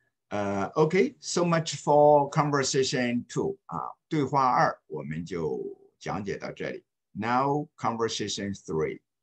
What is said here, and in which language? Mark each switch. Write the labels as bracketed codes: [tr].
[en] Okay, so much for conversation two. [zh] 对话二我们就讲解到这里。 [en] Now conversation three.